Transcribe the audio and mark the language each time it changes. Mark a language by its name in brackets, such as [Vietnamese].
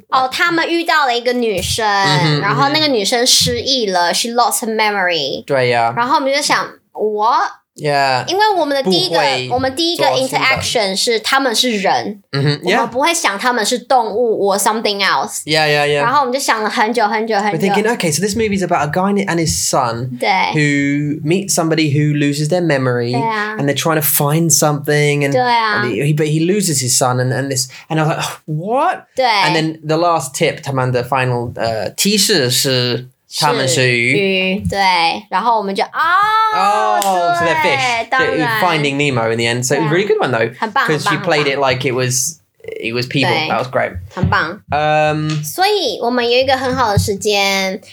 [Chinese] 哦，他们遇到了一个女生，然后那个女生失忆了。 [English] She lost her memory. [Chinese] 对呀。然后我们就想 ， [English] What? Yeah. [Chinese] 因为我们第一个 interaction 是他们是人。 [English] Yeah. [Chinese] 我们不会想他们是动物 [English] or something else. Yeah, yeah, yeah. [Chinese] 然后我们就想了很久很久很久。 [English] We're thinking, okay, so this movie is about a guy and his son. [Chinese] 对。 [English] Who meet somebody who loses their memory. Yeah. And they're trying to find something. And, [Chinese] 对啊。 [English] But he loses his son and this. And I was like, what? [Chinese] 对。 [English] And then the last tip, [Chinese] 他们的 [English] final, [Chinese] 提示是。他们是鱼，对，然后我们就 [English] so they're fish. [Chinese] 当然 [English] Finding Nemo in the end, so really good one though. [Chinese] 很棒，很棒。 [English] Because she played it like it was people. That was great. [Chinese] 很棒。所以我们有一个很好的时间。